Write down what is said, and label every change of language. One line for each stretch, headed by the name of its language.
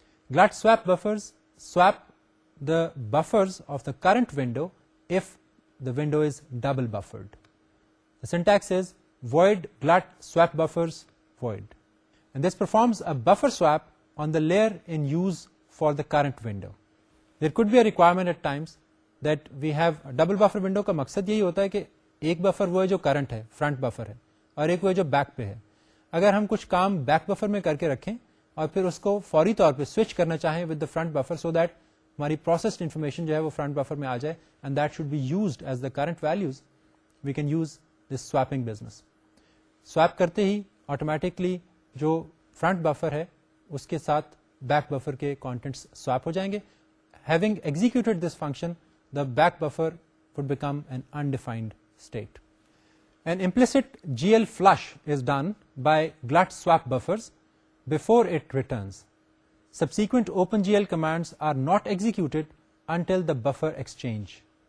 English: Glut swap buffers swap the buffers of the current window if the window is double buffered. The syntax is void glut swap buffers void. And this performs a buffer swap on the layer in use for the current window. There could be a requirement at times that we have a double buffer window.
Urdu: Ka maksad yahi hota hai ki ایک buffer وہ ہے جو current ہے, front buffer ہے, اور ایک وہ ہے جو بیک پہ ہے. اگر ہم کچھ کام بیک بفر میں کر کے رکھیں اور پھر اس کو فوری طور پہ سوئچ کرنا چاہیں with the front buffer, so that ہماری پروسیسڈ انفارمیشن جو ہے وہ فرنٹ بفر میں آ جائے,
English: And that should be used as the current values, we can use this sweeping business.
Urdu: Sweep کرتے ہی آٹومیٹکلی جو فرنٹ بفر ہے اس کے ساتھ بیک بفر کے کانٹینٹس سویپ ہو جائیں گے.
English: Having executed this function, the back buffer would become an undefined state. An implicit GL flush is done by glut swap buffers before it returns. Subsequent OpenGL commands are not executed until the buffer exchange.